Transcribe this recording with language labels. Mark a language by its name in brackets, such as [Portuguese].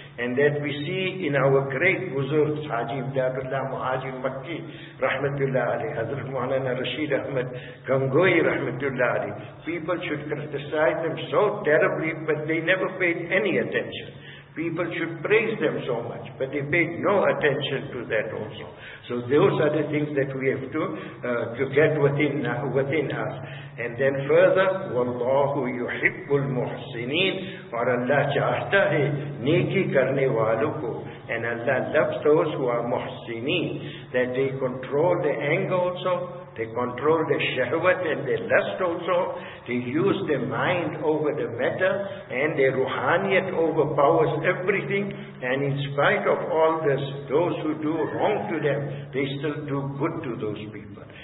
[English] And that we see in our great Buzurg, Haji Ibdadullah Muhajim Makki, Rahmatullah Ali, Hazrat Maulana Rashid Ahmad Gangohi, Rahmatullah Ali. People should criticize them so terribly, but they never paid any attention. People should praise them so much, but they paid no attention to that also. So those are the things that we have to get within us. And then further, [Arabic] وَاللَّهُ يُحِبُّ الْمُحْسِنِينَ [Urdu] اور اللہ چاہتا ہے نیکی کرنے والوں کو. [English] And Allah loves those who are محسنین. that they control the anger also, they control the shahwat and the lust also, they use the mind over the matter, and the ruhaniyat overpowers everything, and in spite of all this, those who do wrong to them, they still do good to those people.